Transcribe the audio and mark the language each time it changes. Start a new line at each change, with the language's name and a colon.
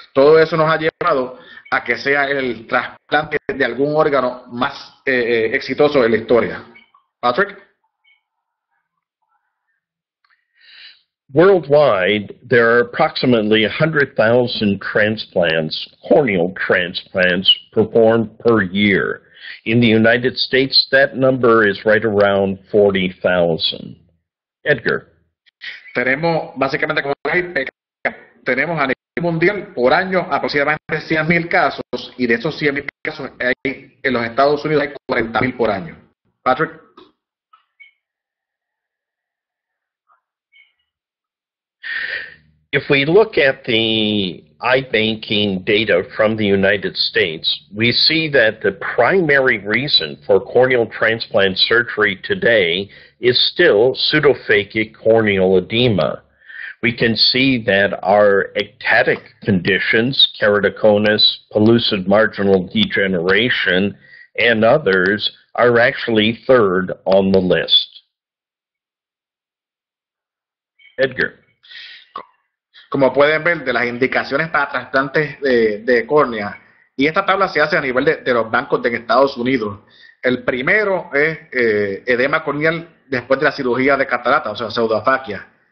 Spanish: Todo eso nos ha llevado a que sea el trasplante de algún órgano más exitoso de la historia. Patrick.
English: Worldwide, there are approximately 100,000 transplants, corneal transplants, performed per year. In the United States, that number is right around 40,000. Edgar.
Spanish: Tenemos básicamente como tenemos a nivel mundial por año aproximadamente 100.000 casos, y de esos 100.000 casos hay en los Estados Unidos hay 40.000 por año. Patrick.
English: If we look at the iBanking data from the United States, we see that the primary reason for corneal transplant surgery today is still pseudophakic corneal edema. We can see that our ectatic conditions, keratoconus, pellucid marginal degeneration, and others are actually third on the list. Edgar.
Spanish: Como pueden ver, de las indicaciones para trasplantes de córnea, y esta tabla se hace a nivel de los bancos de Estados Unidos. El primero es edema corneal después de la cirugía de catarata, o sea, pseudafaquia.